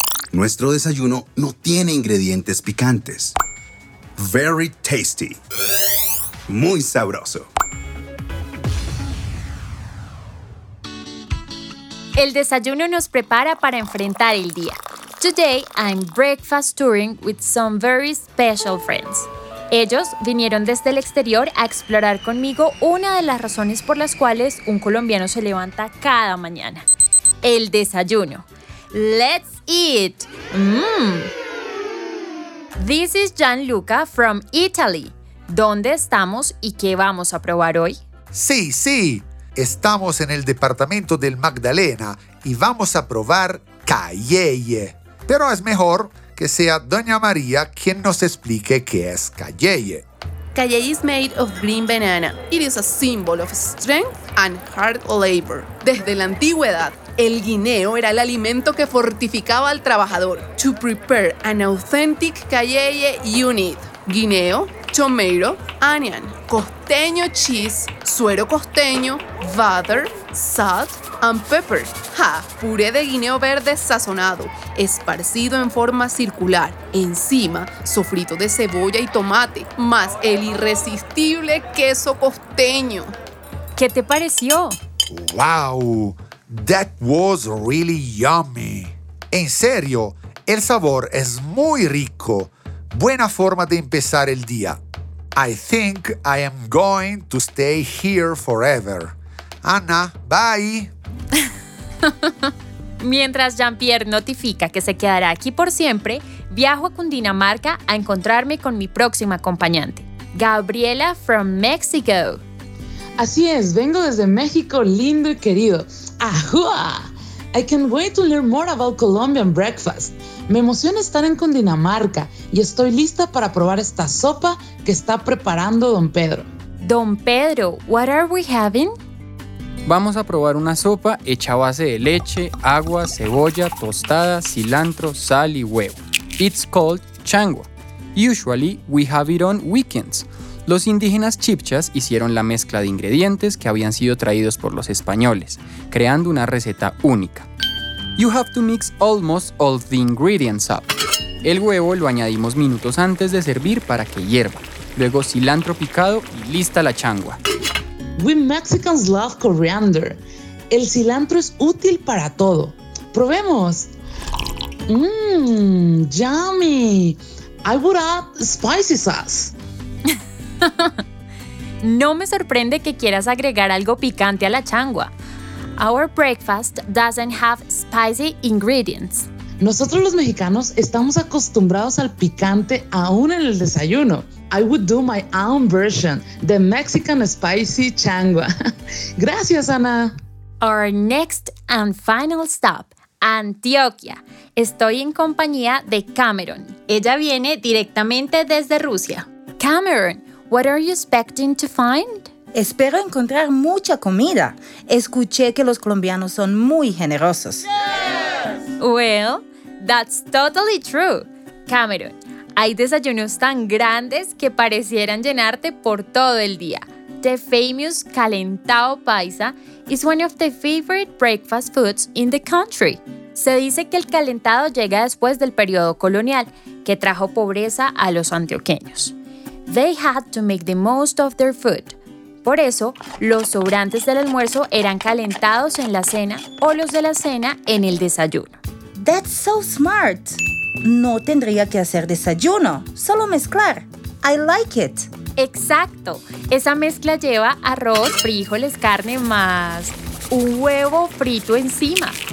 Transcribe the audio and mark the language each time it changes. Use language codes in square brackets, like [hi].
[es] Nuestro desayuno no tiene ingredientes picantes. [en] Very tasty. [es] Muy sabroso. El desayuno nos prepara para enfrentar el día. [en] Today, I'm breakfast touring with some very special friends. [es] Ellos vinieron desde el exterior a explorar conmigo una de las razones por las cuales un colombiano se levanta cada mañana. El desayuno. [en] Let's eat. This is Gianluca from Italy. [es] ¿Dónde estamos y qué vamos a probar hoy? Sí, sí. Estamos en el departamento del Magdalena y vamos a probar calleye. Pero es mejor que sea Doña María quien nos explique qué es calleye. [en] Calleye is made of green banana. It is a symbol of strength and hard labor. [es] Desde la antigüedad, el guineo era el alimento que fortificaba al trabajador. [en] To prepare an authentic calleye, you need guineo, tomato, onion, costeño cheese, suero costeño, butter, salt, and pepper. ¡Ja! [es] Puré de guineo verde sazonado, esparcido en forma circular. Encima, sofrito de cebolla y tomate, más el irresistible queso costeño. ¿Qué te pareció? [en] ¡Wow! That was really yummy. [es] En serio, el sabor es muy rico. Buena forma de empezar el día. [en] I think I am going to stay here forever. Anna, bye. [es] Mientras Jean-Pierre notifica que se quedará aquí por siempre, viajo a Cundinamarca a encontrarme con mi próxima acompañante, Gabriela [en] from Mexico. [es] Así es, vengo desde México lindo y querido. ¡Ajua! [en] I can't wait to learn more about Colombian breakfast. [es] Me emociona estar en Cundinamarca y estoy lista para probar esta sopa que está preparando Don Pedro. [en] Don Pedro, what are we having? [es] Vamos a probar una sopa hecha a base de leche, agua, cebolla, tostada, cilantro, sal y huevo. [en] It's called changua. Usually we have it on weekends. [es] Los indígenas chibchas hicieron la mezcla de ingredientes que habían sido traídos por los españoles, creando una receta única. [en] You have to mix almost all the ingredients up. [es] El huevo lo añadimos minutos antes de servir para que hierva. Luego cilantro picado y lista la changua. [en] We Mexicans love coriander. [es] El cilantro es útil para todo. ¡Probemos! [en] ¡Yummy! I would add spicy sauce. [es] No me sorprende que quieras agregar algo picante a la changua. [en] Our breakfast doesn't have spicy ingredients. [es] Nosotros los mexicanos estamos acostumbrados al picante aún en el desayuno. [en] I would do my own version, the Mexican spicy changua. [es] Gracias, Ana. [en] Our next and final stop, Antioquia. [es] Estoy en compañía de Cameron. Ella viene directamente desde Rusia. [en] Cameron, what are you expecting to find? [es] Espero encontrar mucha comida. Escuché que los colombianos son muy generosos. [en] Yes! Well, that's totally true. [es] Cameron, hay desayunos tan grandes que parecieran llenarte por todo el día. [en] The famous calentado paisa is one of the favorite breakfast foods in the country. [es] Se dice que el calentado llega después del periodo colonial, que trajo pobreza a los antioqueños. [en] They had to make the most of their food. [es] Por eso, los sobrantes del almuerzo eran calentados en la cena o los de la cena en el desayuno. [en] That's so smart. [es] No tendría que hacer desayuno, solo mezclar. [en] I like it. [es] Exacto. Esa mezcla lleva arroz, frijoles, carne más un huevo frito encima.